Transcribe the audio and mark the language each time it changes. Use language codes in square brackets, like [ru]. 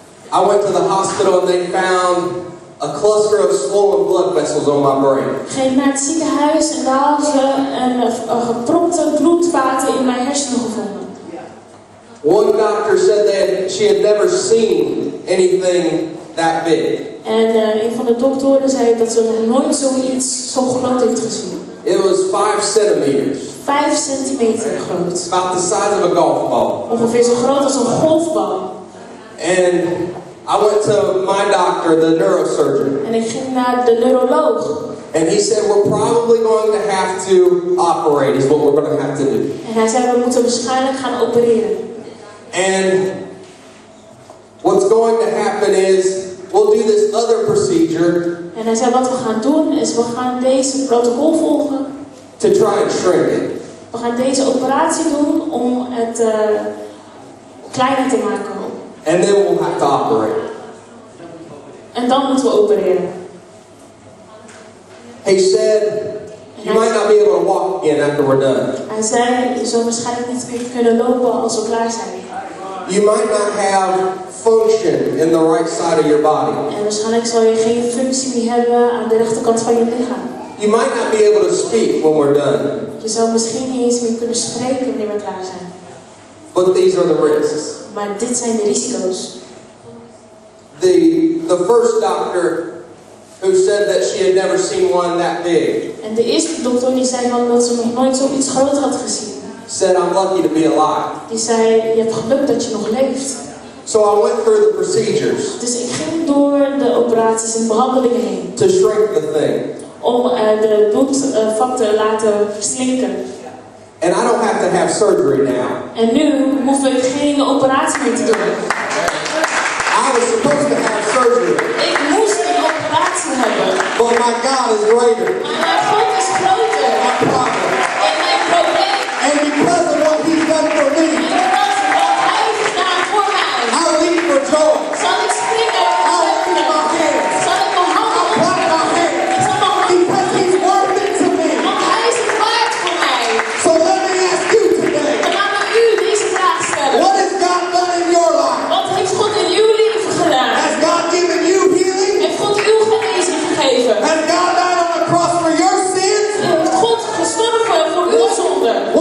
[en] I went to the hospital and they found a cluster of swollen blood vessels on my brain. [nl] Ging naar het ziekenhuis en daar hadden ze een gepropte bloedvaten in mijn hersenen gevonden. [en] One doctor said that she had never seen anything that big. [nl] En een van de doktoren zei dat ze nog nooit zoiets zo groot heeft gezien. [en] It was 5 centimeters. [nl] 5 centimeter groot. [en] About the size of a golf ball. [nl] Ongeveer zo groot als een golfbal. [en] And I went to my doctor, the neurosurgeon. [nl] En ik ging naar de neuroloog. [en] And he said we're probably going to have to operate. Is what we're going to have to do. [nl] En hij zei we moeten waarschijnlijk gaan opereren. [en] And what's going to happen is we'll do this other procedure. [nl] En hij zei wat we gaan doen is we gaan deze protocol volgen. [en] To try and shrink it. [nl] We gaan deze operatie doen om het kleiner te maken. [en] And then we'll have to operate. [nl] En dan moeten we opereren. [en] He said, you might not be able to walk again after we're done. [nl] Hij zei, je zou waarschijnlijk niet meer kunnen lopen als we klaar zijn. [en] You might not have function in the right side of your body. [nl] En waarschijnlijk zal je geen functie meer hebben aan de rechterkant van je lichaam. [en] You might not be able to speak when we're done. [nl] Je zou misschien niet eens meer kunnen spreken wanneer we klaar zijn. [en] But these are the risks. [nl] Maar dit zijn de risico's. [en] The first doctor who said that she had never seen one that big. [nl] En de eerste dokter die zei van dat ze nog nooit zoiets groot had gezien. [en] Said, I'm lucky to be alive. [nl] Die zei, je hebt geluk dat je nog leeft. [en] So I went through the procedures. [nl] Dus ik ging door de operaties en behandelingen heen. [en] To shrink the thing. [nl] Om de bloedvat te laten verslinken. [en] And I don't have to have surgery now. [nl] En nu hoef ik geen operatie meer te doen. [en] I was supposed to have surgery. [nl] Ik moest een operatie hebben. [en] But my God is greater. [nl] Maar mijn God is groter. [en] My problem. [nl] En mijn probleem. [en] And because of what He's done for me. [nl] En omdat wat Hij heeft gedaan voor mij. [en] I leap for joy. [nl] Zal ik springen? [en] I'll lift my hand. [nl] Zal ik mijn handen [en] op? I'll clap my hand. [nl] Zal ik mijn handen op? [en] Because He's worth it to me. [nl] Want Hij is het waard voor mij. [en] So let me ask you today. [nl] Dan laat ik u deze vraag stellen. [en] What has God done in your life? [nl] Wat heeft God in uw leven gedaan? [en] Has God given you healing? [nl] Heeft God uw genezing gegeven? [en] Has God died on the cross for your sins? [nl] Heeft God gestorven voor uw zonden?